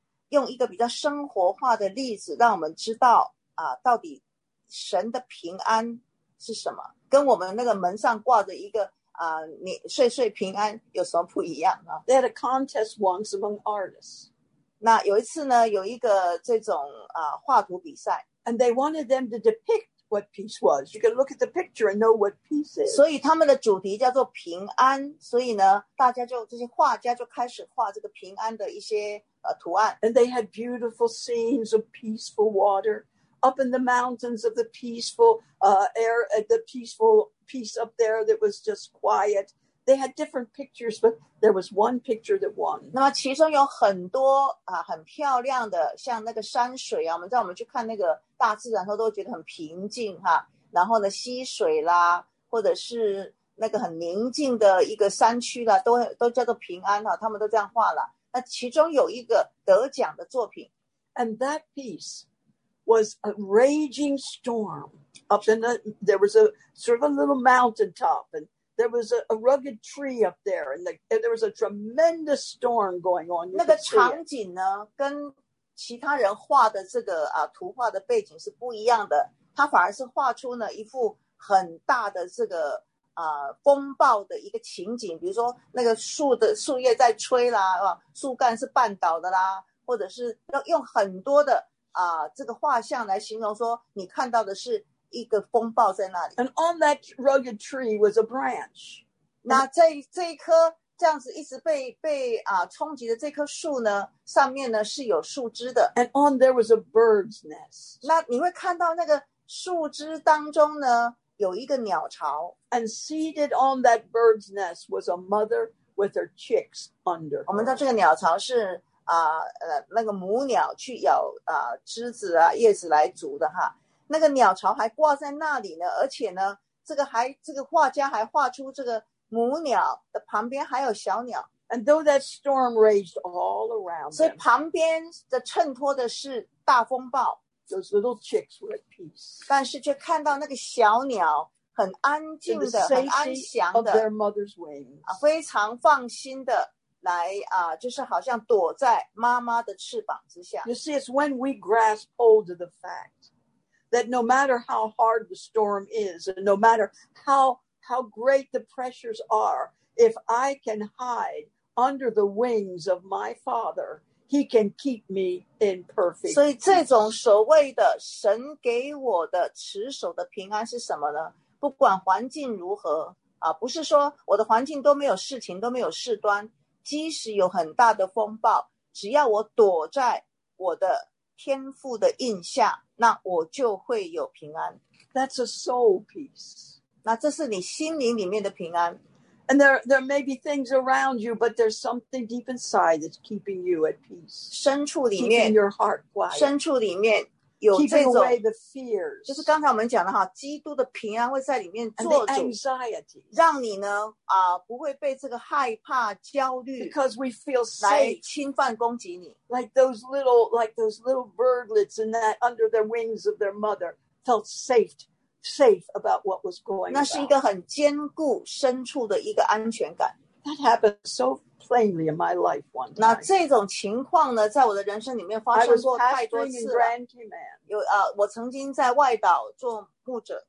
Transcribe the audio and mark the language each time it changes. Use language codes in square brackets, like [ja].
[zh] 那我请他说把这个用一个比较生活化的例子让我们知道啊，到底神的平安是什么，跟我们那个门上挂着一个啊，你岁岁平安有什么不一样啊？ [en] They had a contest once among artists. [zh] 那有一次呢，有一个这种啊画图比赛。 [en] And they wanted them to depict what peace was. You can look at the picture and know what peace is. [zh] 所以他们的主题叫做平安，所以呢，大家就这些画家就开始画这个平安的一些图案。 [en] And they had beautiful scenes of peaceful water. Up in the mountains of the peaceful air, the peaceful peace up there that was just quiet. They had different pictures, but there was one picture that won. [zh] 那么其中有很多啊，很漂亮的，像那个山水啊，我们去看那个大自然的时候，都觉得很平静哈。然后呢，溪水啦，或者是那个很宁静的一个山区啦，都叫做平安哈。他们都这样画了。那其中有一个得奖的作品 [en] ，and that piece. Was a raging storm up in the. There was a sort of a little mountain top, and there was a rugged tree up there, and there was a tremendous storm going on. [zh] 那个场景呢，跟其他人画的这个啊图画的背景是不一样的。他反而是画出呢一幅很大的这个啊风暴的一个情景，比如说那个树的树叶在吹啦，啊，树干是绊倒的啦，或者是要用很多的。这个画像来形容说你看到的是一个风暴在那里。 [en] And on that rugged tree was a branch. [zh] 那在这一棵这样子一直被冲击的这棵树呢上面呢是有树枝的。 [en] And on there was a bird's nest. [zh] 那你会看到那个树枝当中呢有一个鸟巢。 [en] And seated on that bird's nest was a mother with her chicks under her. [zh] 我们知道这个鸟巢是那个母鸟去咬枝子啊叶子来煮的哈，那个鸟巢还挂在那里呢，而且呢，这个画家还画出这个母鸟的旁边还有小鸟。 [en] And though that storm raged all around, [zh] 所以旁边的衬托的是大风暴。 [en] Those little chicks were at peace. [zh] 但是却看到那个小鸟很安静的、很安详的 [en] of their mother's wings. [zh] 非常放心的。来就是好像躲在妈妈的翅膀之下。 [en] You see, it's when we grasp hold of the fact that no matter how hard the storm is, and no matter how great the pressures are, if I can hide under the wings of my Father, He can keep me in perfect. [zh] 所以这种所谓的神给我的持守的平安是什么呢？不管环境如何不是说我的环境都没有事情，都没有事端。即使有很大的风暴，只要我躲在我的天父的印下，那我就会有平安。 [en] That's a soul peace. [zh] 那这是你心灵里面的平安。 [en] And there may be things around you, but there's something deep inside that's keeping you at peace. [zh] 深处里面 [en] keeping your heart quiet. [zh] 深处里面有这种 [en] keeping away the fears. [zh] 就是刚才我们讲的哈，基督的平安会在里面做主。 [en] And the anxiety. [zh] 让你呢不会被这个害怕焦虑。 [en] Because we feel safe. [zh] 来侵犯攻击你。 [en] Like those little birdlets in that under their wings of their mother felt safe about what was going on. [zh] 那是一个很坚固深处的一个安全感。 [en] That happened so plainly in my life one time. [zh] 那这种情况呢，在我的人生里面发生过太多次了。有我曾经在外岛做牧者。